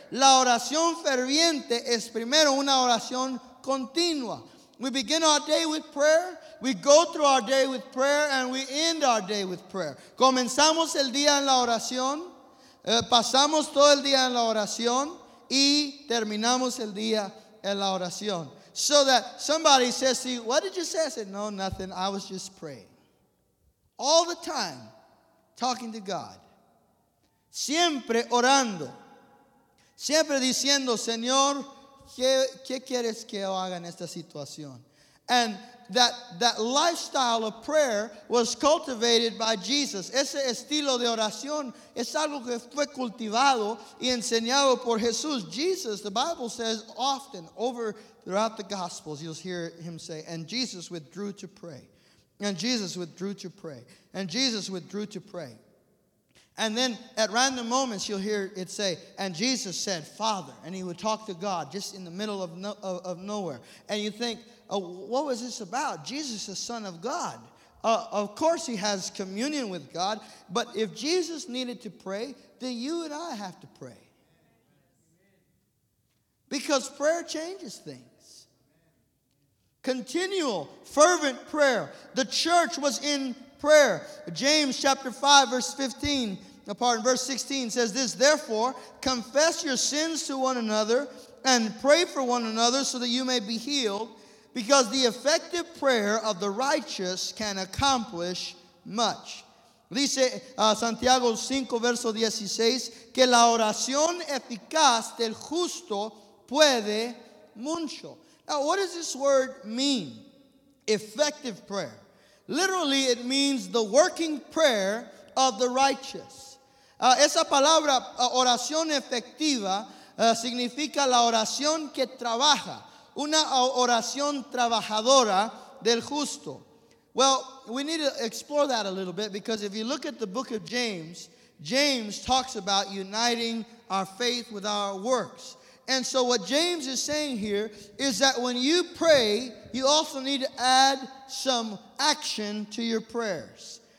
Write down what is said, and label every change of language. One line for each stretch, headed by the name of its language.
Spanish: La oración ferviente es primero una oración continua.
English: We begin our day with prayer. We go through our day with prayer, and we end our day with prayer.
Spanish: Comenzamos el día en la oración, pasamos todo el día en la oración, y terminamos el día en la oración.
English: So that somebody says to you, "What did you say?" I said, "No, nothing. I was just praying." All the time, talking to God.
Spanish: Siempre orando. Siempre diciendo, Señor, ¿qué quieres que yo haga en esta situación?
English: And that lifestyle of prayer was cultivated by Jesus.
Spanish: Ese estilo de oración es algo que fue cultivado y enseñado por Jesús.
English: Jesus, the Bible says often over throughout the Gospels, you'll hear him say, and Jesus withdrew to pray. And Jesus withdrew to pray. And Jesus withdrew to pray. And then at random moments, you'll hear it say, and Jesus said, Father. And he would talk to God just in the middle of nowhere. And you think, what was this about? Jesus is the Son of God. Of course he has communion with God. But if Jesus needed to pray, then you and I have to pray. Because prayer changes things. Continual, fervent prayer. The church was in prayer. James chapter 5, verse 16 says this, therefore, confess your sins to one another and pray for one another so that you may be healed, because the effective prayer of the righteous can accomplish much.
Spanish: Dice Santiago 5, verse 16, que la oración eficaz del justo puede mucho.
English: Now, what does this word mean? Effective prayer. Literally, it means the working prayer of the righteous.
Spanish: Esa palabra, oración efectiva, significa la oración que trabaja. Una oración trabajadora del justo.
English: Well, we need to explore that a little bit, because if you look at the book of James, James talks about uniting our faith with our works. And so what James is saying here is that when you pray, you also need to add some action to your prayers.